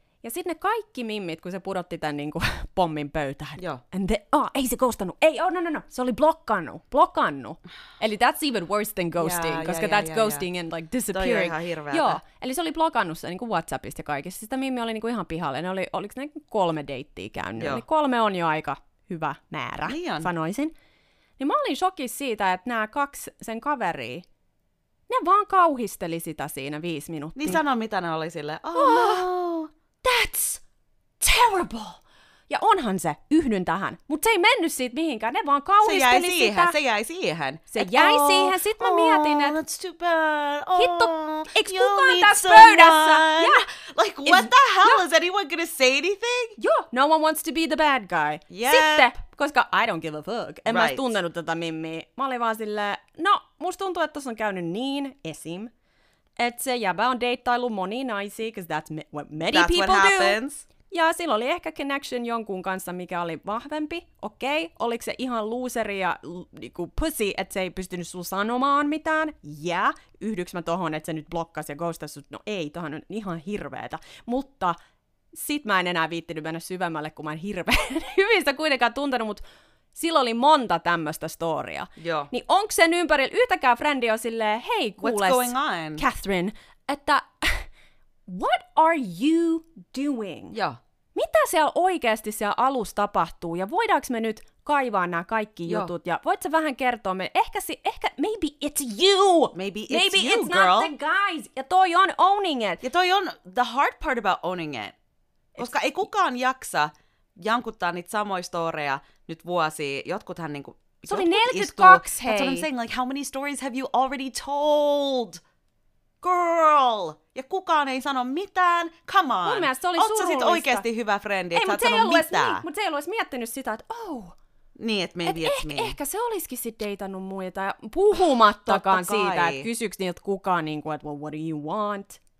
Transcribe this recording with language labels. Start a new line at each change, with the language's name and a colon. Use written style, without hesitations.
Finnish: Ja sitten ne kaikki mimmit, kun se pudotti tämän niinku pommin pöytään. Joo.
English: And they,
Finnish: oh, ei se ghostannut. Ei, oh, no. Se oli blokkannut.
English: Eli that's even worse than ghosting, koska that's ghosting. And like disappearing.
Finnish: Toi on ihan hirveätä. Joo, eli se oli blokannut se niinku WhatsAppista ja kaikista. Sitä mimmi oli niinku ihan pihalle. Ne oli, oliko ne kolme deittiä käynyt? Joo. Eli kolme on jo aika hyvä määrä, sanoisin. Niin mä olin shokissa siitä, että nämä kaksi sen kaveria, ne vaan kauhisteli sitä siinä 5 minuuttia. Niin sano, mitä ne oli silleen,
English: that's terrible!
Finnish: Ja onhan se, yhdyn tähän. Mutta se ei mennyt siitä mihinkään, ne vaan kauhisteli sitä. Se jäi siihen. Se jäi siihen, sit mä mietin, että...
English: That's too bad. Oh,
Finnish: hitto, eikö kukaan tässä pöydässä?
English: Yeah. Like, what the hell, is anyone gonna say anything? Joo, no one wants to be the bad guy. Yep.
Finnish: Sitten, koska
English: I don't give a fuck.
Finnish: En mä tuntenut tätä mimmiä. Mä olin vaan silleen, no, musta tuntuu, että tossa on käynyt niin, esim. Että se jäbä on deittailu monia naisia,
English: because that's what many people do.
Finnish: Ja sillä oli ehkä connection jonkun kanssa, mikä oli vahvempi. Okei, oliko se ihan looseri ja pussy, että se ei pystynyt sun sanomaan mitään? Jää, yhdyks mä tohon, että se nyt blokkasi ja ghostasi sut? No ei, tohon on ihan hirveetä. Mutta sit mä en enää viittinyt mennä syvemmälle, kun mä en hirveän hyvin sitä kuitenkaan tuntenut, mut sillä oli monta tämmöistä storia. Joo. Niin onko sen ympärillä yhtäkään frendi on silleen, hei kuules,
English: what's going on? Catherine, että what are you doing?
Finnish: Joo. Mitä siellä oikeasti siellä alussa tapahtuu? Ja voidaanko me nyt kaivaa nämä kaikki jutut? Ja voit sä vähän kertoa me, ehkä,
English: maybe it's you! Maybe it's you, girl! Maybe it's not the guys!
Finnish: Ja toi on
English: owning it!
Finnish: Ja toi on
English: the hard part about owning it.
Finnish: Koska ei kukaan jaksa jankuttaa niitä samoja storeja nyt vuosia. Jotkuthan niinku... Se oli 42, hei!
English: That's what I'm saying, like, how many stories have you already told? Girl!
Finnish: Ja kukaan ei sano mitään,
English: come on!
Finnish: Mun mielestä se oli surullista. Ootko sä sit oikeesti hyvä frendi, että sä et sano mitään? Niin, mutta se ei ollut edes miettinyt sitä, että oh! Niin, että
English: maybe it's me.
Finnish: Ehkä se olisikin sit deitannut muita, puhumattakaan siitä, että kysyks niiltä kukaan, niin kuin, että
English: well, what do you want?